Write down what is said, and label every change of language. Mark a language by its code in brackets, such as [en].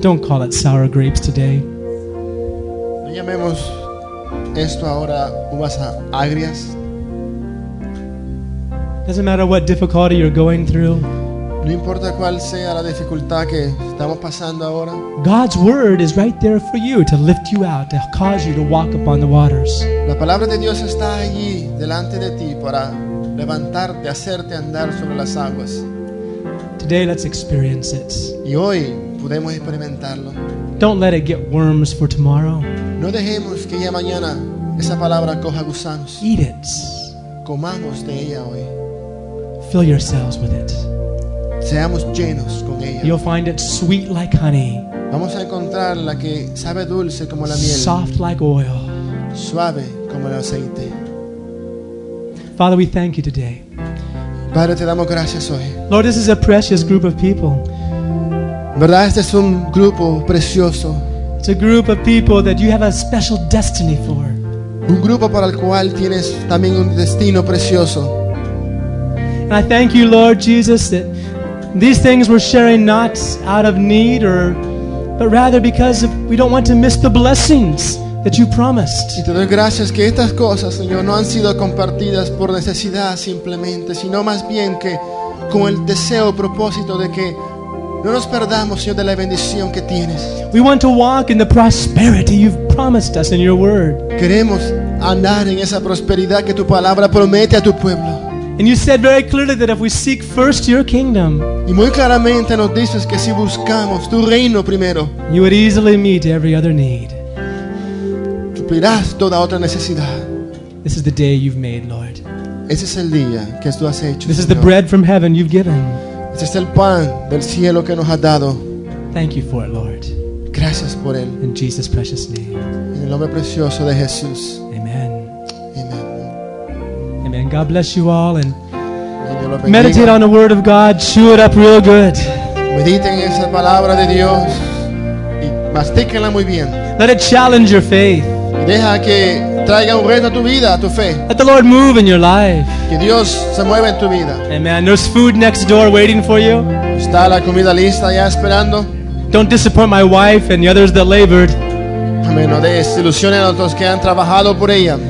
[en] Don't call it sour grapes today. [es] Llamemos esto ahora uvas agrias. [en] Doesn't matter what difficulty you're going through. [es] No importa cuál sea la dificultad que estamos pasando ahora. [en] God's word is right there for you to lift you out, to cause you to walk upon the waters. [es] La palabra de Dios está allí delante de ti para levantarte, hacerte andar sobre las aguas. [en] Today let's experience it. [es] Y hoy podemos experimentarlo. [en] Don't let it get worms for tomorrow. [es] No dejemos que ya mañana esa palabra coja gusanos. [en] Eat it. [es] Comamos de ella hoy. [en] Fill yourselves with it. [es] Seamos llenos con ella. [en] You'll find it sweet like honey. [es] Vamos a encontrar la que sabe dulce como la miel. [en] Soft like oil. [es] Suave como el aceite. [en] Father, we thank you today. [es] Padre, te damos gracias hoy. [en] Lord, this is a precious group of people. [es] ¿Verdad? Este es un grupo precioso. [en] It's a group of people that you have a special destiny for. [es] Un grupo para el cual tienes también un destino precioso. [en] And I thank you, Lord Jesus, that these things we're sharing not out of need, but rather because we don't want to miss the blessings that you promised. [es] Y te doy gracias que estas cosas, Señor, no han sido compartidas por necesidad simplemente, sino más bien que con el deseo, propósito de que no nos perdamos, Señor, de la bendición que tienes. [en] We want to walk in the prosperity you've promised us in your word. [es] Queremos andar en esa prosperidad que tu palabra promete a tu pueblo. [en] And you said very clearly that if we seek first your kingdom, [es] y muy claramente nos dices que si buscamos tu reino primero, [en] you would easily meet every other need. [es] Suplirás toda otra necesidad. [en] This is the day you've made, Lord. [es] Ese es el día que tú has hecho, [en] this [es] Señor. [en] Is the bread from heaven you've given. [es] Este es el pan del cielo que nos has dado. [en] Thank you for it, Lord. [es] Gracias por él. [en] In Jesus' precious name. [es] En el nombre precioso de Jesús. [en] Amen. [es] Amen. Amen. [en] God bless you all and meditate on the word of God. Chew it up real good. [es] Mediten en esa palabra de Dios y mastíquenla muy bien. [en] Let it challenge your faith. [es] Y deja que traiga un reto a tu vida, a tu fe. [en] Let the Lord move in your life. [es] Que Dios se mueva en tu vida. [en] Amen. There's food next door waiting for you. [es] Está la comida lista ya esperando. [en] Don't disappoint my wife and the others that labored. [es] Amen. No desilusiones a los que han trabajado por ella.